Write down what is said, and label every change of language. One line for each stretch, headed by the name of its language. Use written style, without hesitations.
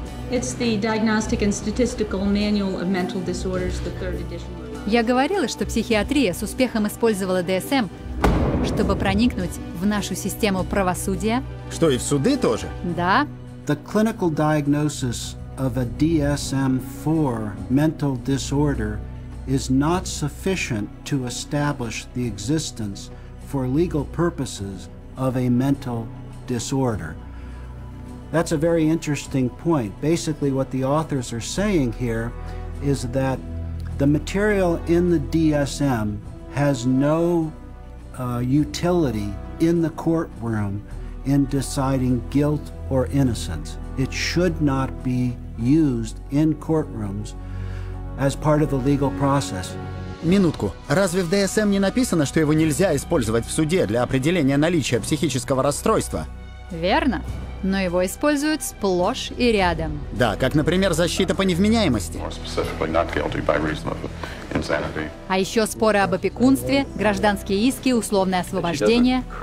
English: It's the Diagnostic and Statistical Manual of Mental Disorders, the third edition.
Russian: Я говорила, что психиатрия с успехом использовала DSM, чтобы проникнуть в нашу систему правосудия. Что, и в суды тоже? Да.
English: The clinical diagnosis of a DSM-4 mental disorder is not sufficient to establish the existence for legal purposes of a mental disorder. That's a very interesting point. Basically, what the authors are saying here is that the material in the DSM has no utility in the courtroom in deciding guilt or innocence. It should not be used in courtrooms as part of the legal process.
Russian: Минутку. Разве в DSM не написано, что его нельзя использовать в суде для определения наличия психического расстройства? Верно. Но его используют сплошь и рядом. Да, как, например, защита по невменяемости. А еще споры об опекунстве, гражданские иски, условное освобождение.